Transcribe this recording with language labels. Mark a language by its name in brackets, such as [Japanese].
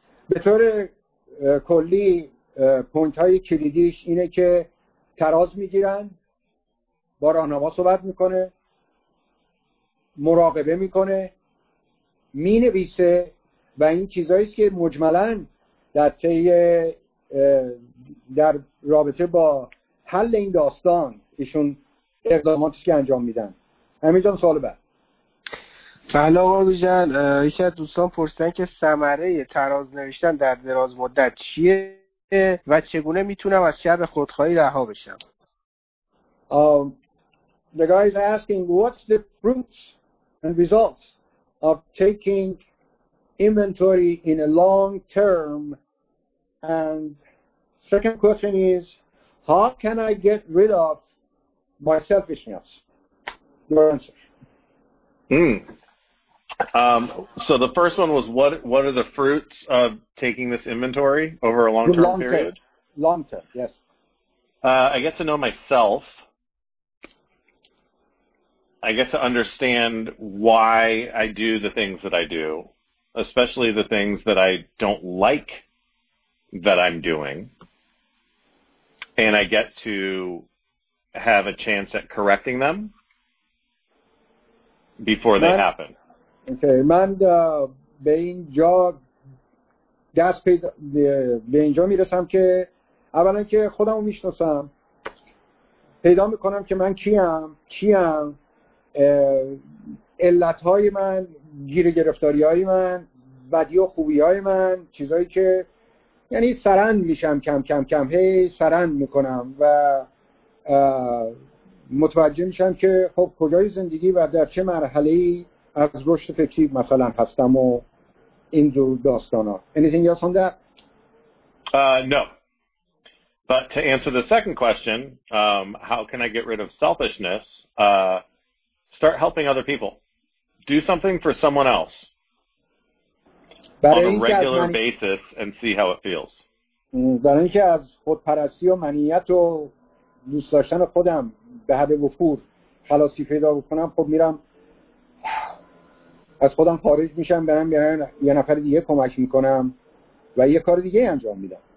[Persian] به طور کلی پوینت های کلیدیش اینه که تراز میگیرن، با راهنما صحبت میکنه، مراقبه میکنه، مینویسه و این چیزهاییست که مجملن در تیه در رابطه با حل این داستان ایشون اقداماتش که انجام میدن. همینجان سوال بعد. بله آقا بیژن، یکی از دوستان پرسیدن که ثمره تراز نوشتن در دراز مدت چیه و چگونه میتونم از شر خودخواهی رها بشم؟ [English] The guy is asking what's the fruits and results of taking inventory in a long term? And second question is, how can I get rid of my selfishness? Your answer. So the first one was, what are the fruits of taking this inventory over a long-term period? Long-term, yes. I get to know myself. I get to understand why I do the things that I do, especially the things that I don't like that I'm doing. And I get to have a chance at correcting them before they happen. [Persian] Okay, من به اینجا دست پیدا به اینجا میرسم که اولا که خودم رو میشناسم، پیدا میکنم که من کیم، علتهای من، گیر گرفتاری های من، بدی و خوبی های من، چیزایی که یعنی سرند میشم کم کم هی سرند میکنم و متوجه میشم که خب کجای زندگی و در چه مرحله‌ای از رشد فکری مثلا هستم و این دو داستانا. [English] Anything else on that? No. But to answer the second question, how can I get rid of selfishness? Start helping other people. Do something for someone else on a regular basis and see how it feels. [Persian] برای اینکه از خودپرستی و منیت و دوست داشتن خودم به حد وفور خلاصی پیدا بکنم، خب میرم از خودم خارج میشم، برم یه نفر دیگه کمک میکنم و یه کار دیگه انجام میدم.